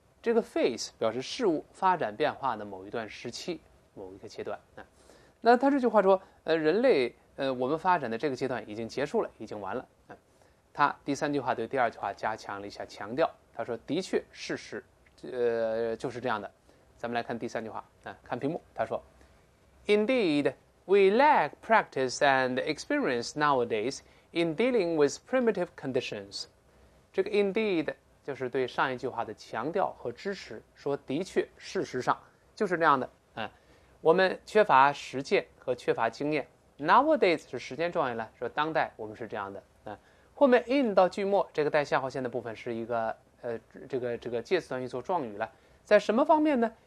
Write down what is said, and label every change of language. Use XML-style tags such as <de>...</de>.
<zh>这个 phase 表示事物发展变化的某一段时期，某一个阶段。那他这句话说，人类我们发展的这个阶段已经结束了，已经完了。他第三句话对第二句话加强了一下强调，他说的确事实就是这样的。咱们来看第三句话，看屏幕，他说</zh> <en>Indeed, we lack practice and experience nowadays in dealing with primitive conditions.</en> <zh>这个 indeed 就是对上一句话的强调和支持，说的确事实上就是这样的，我们缺乏实践和缺乏经验。 Nowadays 是时间状语了，说当代我们是这样的，后面 in 到句末这个带下划线的部分是一个这个介词短语做状语了。在什么方面呢？</zh>